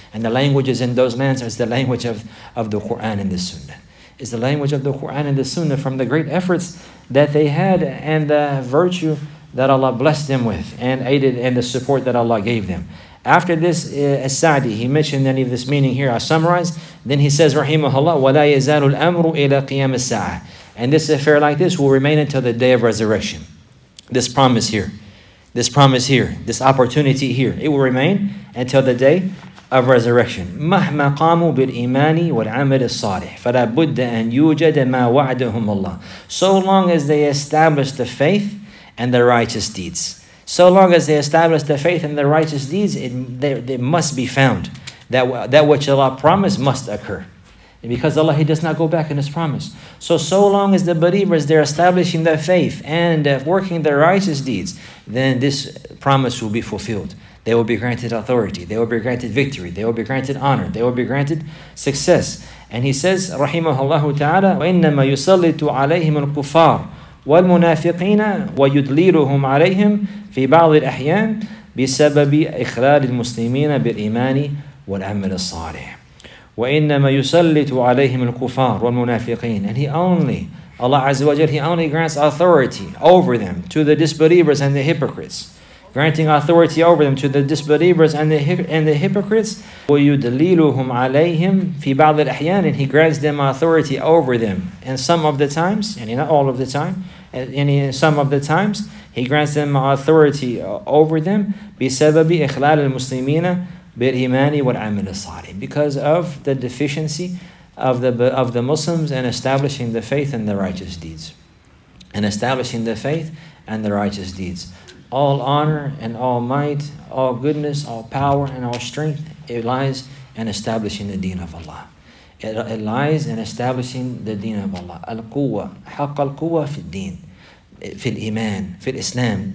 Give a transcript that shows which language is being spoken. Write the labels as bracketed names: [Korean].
[English] And the languages in those lands is the language of the Quran and the Sunnah. It's the language of the Quran and the Sunnah from the great efforts that they had, and the virtue that Allah blessed them with, and aided, and the support that Allah gave them. After this, As-Sa'di, he mentioned any of this meaning here, I summarize. Then he says, rahimahullah, [Arabic] وَلَا يَزَالُ الْأَمْرُ إِلَى قِيَامِ السَّاعَةِ. [English] And this affair like this will remain until the day of resurrection. This promise here, this opportunity here, it will remain until the day of resurrection. [Arabic] مَهْمَا قَامُوا بِالْإِيمَانِ وَالْعَمَلِ الصَّالِحِ فَلَا بُدَّ أَنْ يُوجَدَ مَا وَعَدَهُمُ اللَّهِ. [English] So long as they establish the faith and the righteous deeds. So long as they establish the faith and the righteous deeds, they must be found. That which Allah promised must occur. And because Allah, He does not go back in His promise. So long as the believers, they're establishing their faith and working their righteous deeds, then this promise will be fulfilled. They will be granted authority. They will be granted victory. They will be granted honor. They will be granted success. And he says, rahimahullahu ta'ala, [Arabic] وَإِنَّمَا يُسَلِّطُ عَلَيْهِمُ الْكُفَّارُ وَالْمُنَافِقِينَ وَيُدْلِيلُهُمْ عَلَيْهِمْ فِي بَعْضِ الْأَحْيَانِ بِسَبَبِ إِخْلَالِ الْمُسْلِمِينَ بِالْإِيمَانِ وَالْعَمَلِ الصَّالِحِ. وَإِنَّمَا يُسَلِّطُ عَلَيْهِمُ الْكُفَّارُ وَالْمُنَافِقِينَ. [English] And Allah Azza wa Jal, He only grants authority over them to the disbelievers and the hypocrites. Granting authority over them to the disbelievers and the hypocrites. [Arabic] وَيُدْلِيلُهُمْ عَلَيْهِمْ فِي بَعْضِ الْأَحْيَانِ. [English] And He grants them authority over them. And some of the times, and not all of the time, and some of the times, He grants them authority over them. [Arabic] بِسَبَبِ إِخْلَالِ الْمُسْلِمِينَ بِالْإِيمَانِ وَالْعَمِلِ الصَّالِحِ. [English] Because of the deficiency of the Muslims and establishing the faith and the righteous deeds. And establishing the faith and the righteous deeds. All honor and all might, all goodness, all power and all strength, it lies in establishing the deen of Allah. It lies in establishing the deen of Allah. [Arabic] Al-quwa, haqq al-quwa fi al-deen, fi al-iman, fi al-islam.